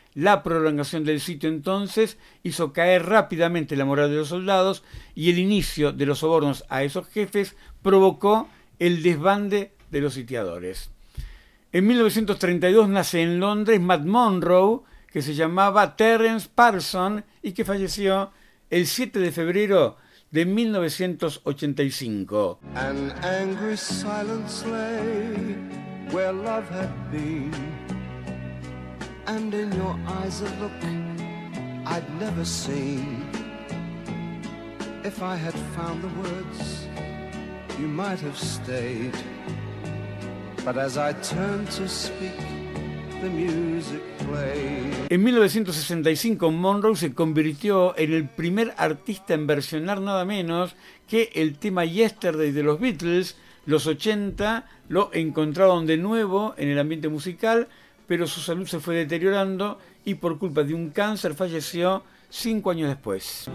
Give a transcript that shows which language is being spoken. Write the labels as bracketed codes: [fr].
[es] La prolongación del sitio entonces hizo caer rápidamente la moral de los soldados y el inicio de los sobornos a esos jefes provocó el desbande de los sitiadores. En 1932 nace en Londres Matt Monroe, que se llamaba Terence Parson y que falleció el 7 de febrero de 1985. [en] An angry silence lay where love had been, and in your eyes a look I'd never seen. If I had found the words, you might have stayed. But as I turned to speak, the music played. [es] En 1965, Monroe se convirtió en el primer artista en versionar nada menos que el tema Yesterday de los Beatles. Los 80 lo encontraron de nuevo en el ambiente musical, pero su salud se fue deteriorando y por culpa de un cáncer falleció 5 años después.